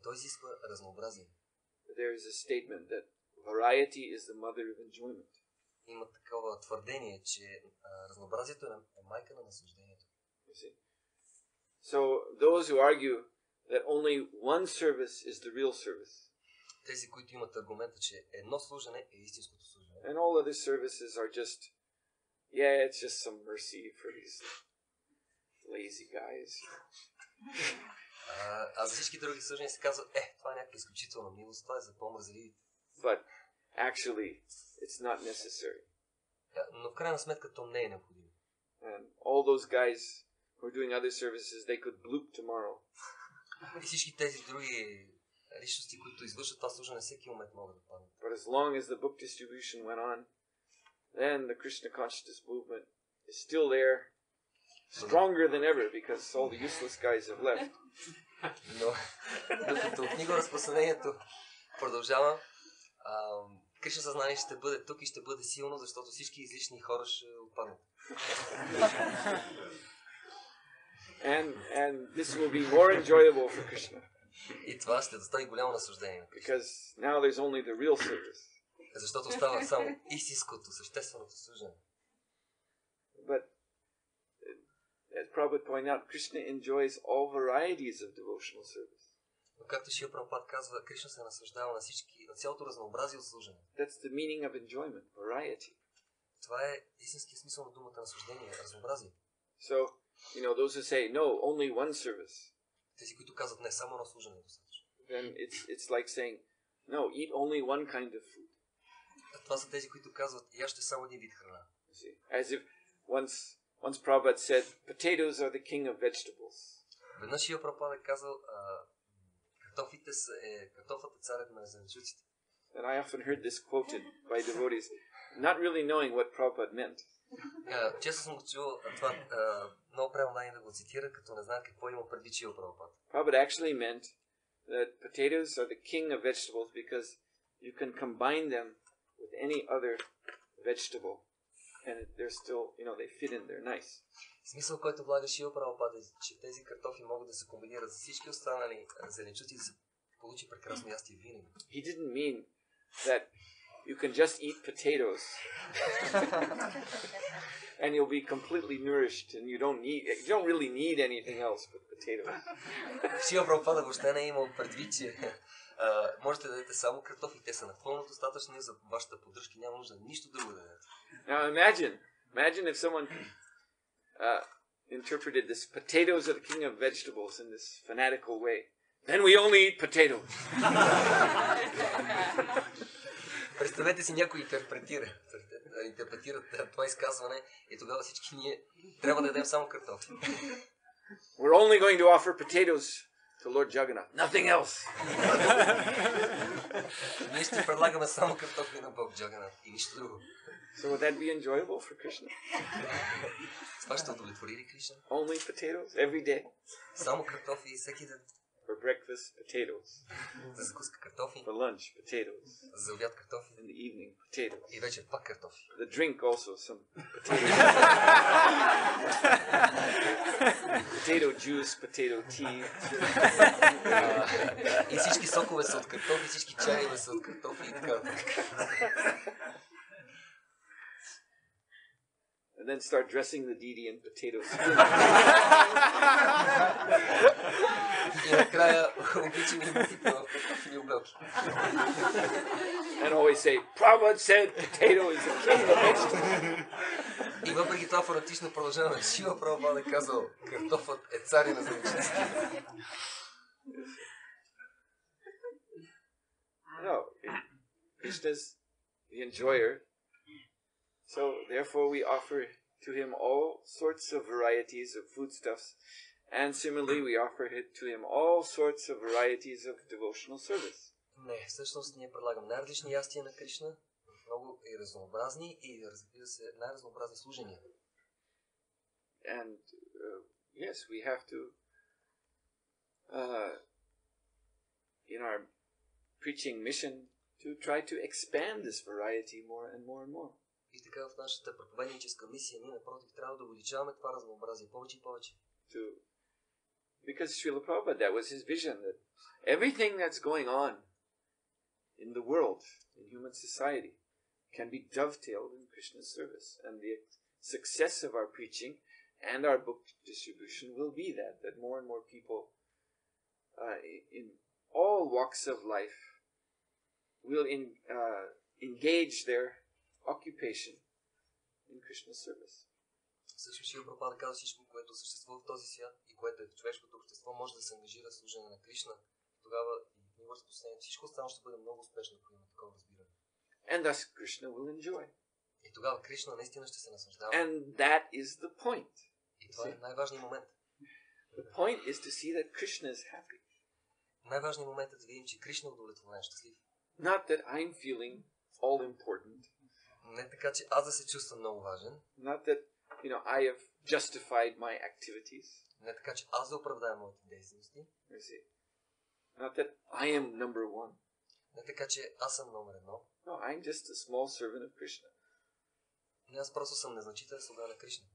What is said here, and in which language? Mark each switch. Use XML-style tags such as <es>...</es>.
<bg>То изисква разнообразие.</bg> <en>There is a statement that variety is the mother of enjoyment.</en> <bg>Има такова твърдение, че разнообразието е майка на наслаждението.</bg> <en>You see? So those who argue that only one service is the real service.</en> <bg>Тези, които имат аргумента, че едно служене е истинското служене.</bg> <en>And all other services are just, yeah, it's just some mercy for these lazy guys.</en> <bg>А всички други служения се казват, това е някаква изключителна милост, това е за по-мързливите.</bg> <en>But actually, it's not necessary.</en> <bg>Но в крайна сметка то не е необходимо.</bg> <en>And all those guys who are doing other services, they could bloop tomorrow.</en> <bg>Всички тези други личности, които извършват това служене, всеки момент могат да паднат.</bg> <en>But as long as the book distribution went on, then the Krishna consciousness movement is still there, stronger than ever, because all the useless guys have left.</en> <bg>Но докато книгоразпространението продължава, Кришна съзнание ще бъде тук и ще бъде силно, защото всички излишни хора ще отпаднат.</bg> <en>And this will be more enjoyable for Krishna.</en> <bg>И това ще достави голямо наслаждение.</bg> <en>Because now there's only the real service.</en> <bg>Защото става само истинското, същественото служение.</bg> <en>But as Prabhupada pointed out, Krishna enjoys all varieties of devotional service.</en> <bg>Но както Шрила Прабхупада казва, Кришна се наслаждава на всички, на цялото разнообразие от служене.</bg> <en>That's the meaning of enjoyment, variety.</en> <bg>Това е истинският смисъл на думата наслаждение, разнообразие.</bg> <en>So, you know, those who say no, only one service.</en> <bg>Тези, които казват не, само едно служене достатъчно.</bg> <en>Then it's like saying no, eat only one kind of food.</en> <bg>А това са тези, които казват, ящи само един вид храна.</bg> <en>As if once Prabhupada said, potatoes are the king of vegetables.</en> <bg>Веднъж Шрила Прабхупада казал, картофата е царят на зеленчуците.</bg> <en>And I often heard this quoted by devotees, not really knowing what Prabhupada meant.</en> <bg>Често съм го чувал това, много преподавани да го цитира, като не знаят какво има предвид Шрила Прабхупада.</bg> <en>Prabhupada actually meant that potatoes are the king of vegetables because you can combine them with any other vegetable and they're still, you know, they fit in, they're nice.</en> <bg>Смисъл, който влага Шрила Прабхупада, че тези картофи могат да се комбинират за всички останали зеленчуци и да се получи прекрасно ястие винаги.</bg> <en>He didn't mean that you can just eat potatoes and you'll be completely nourished and you don't really need anything else but potatoes.</en> <bg>Шрила Прабхупада въобще не е имал предвид, че можете да дадете само картофи, те са напълно достатъчни за вашата поддръжка, няма нужда нищо друго да дадете.</bg> <en>Now imagine if someone interpreted this potatoes are the king of vegetables in this fanatical way. Then we only eat potatoes.</en> <bg>Представете си, някой интерпретира това изказване и тогава всички ние трябва да дадем само картофи.</bg> <en>We're only going to offer potatoes to Lord Jagannath. Nothing else.</en> <bg>Ние ще предлагаме само картофи на Бог Джагънат и нищо друго.</bg> <en>So would that be enjoyable for Krishna?</en> <bg>Това ще удовлетвори ли Кришна?</bg> <en>Only potatoes every day.</en> <bg>Само картофи всеки ден.</bg> <en>For breakfast, potatoes.</en> <bg>За закуска картофи.</bg> <en>For lunch, potatoes.</en> <bg>За обяд картофи.</bg> <en>In the evening, potatoes.</en> <bg>И вечер пак картофи.</bg> <en>The drink also some potatoes. Potato juice, potato tea.</en> <bg>И всички сокове са от картофи, всички чаеве са от картофи и така.</bg> <en>And then start dressing the deity in potato skin.</en> <bg>И накрая обичаме ми в картофи.</bg> <en>And always say, Prabhupada said potato is the king of vegetables.</en> <bg>И въпреки това фанатично продължава, Шрила Прабхупада казал, картофът е царя на зеленчуците.</bg> <en>No, Krishna's the enjoyer. So therefore we offer to him all sorts of varieties of foodstuffs, and similarly we offer to him all sorts of varieties of devotional service.</en> <bg>Не, всъщност ние предлагам най-различни ястия на Кришна, много и разнообразни и разбира се най-разнообразни служения.</bg> <en>And yes, we have to in our preaching mission to try to expand this variety more and more and more.</en> <bg>И така в нашата проповедническа мисия ние напротив трябва да увеличаваме това разнообразие повече и повече.</bg> <en>To, because Srila Prabhupada, that was his vision, that everything that's going on in the world, in human society, can be dovetailed in Krishna's service. And the success of our preaching and our book distribution will be that, that more and more people in all walks of life will engage their occupation in Krishna's service.</en> <bg>Всъщност Шрила Прабхупада каза, всичко, което съществува в този свят и което е в човешкото общество, може да се ангажира в служение на Кришна. Тогава и ниво разпространение, всичко останало ще бъде много успешно, ако има такова разбиране.</bg> <en>And thus Krishna will enjoy.</en> <bg>И тогава Кришна наистина ще се наслаждава.</bg> <en>And that is the point.</en> <bg>И това е най-важният момент.</bg> <en>The point is to see that Krishna is happy.</en> <bg>Най-важният момент е да видим, че Кришна е удовлетворен, щастлив.</bg> <en>Not that I'm feeling all important.</en> <bg>Не така, че аз да се чувствам много важен.</bg> <en>Not that, you know, I have justified my activities.</en> <bg>Не така, че аз да оправдавам моите действия.</bg> <en>You see? Not that I am number one.</en> <bg>Не така, че аз съм номер едно.</bg> <en>No, I'm just a small servant of Krishna.</en> <bg>Не, аз просто съм незначителен слуга на Кришна.</bg>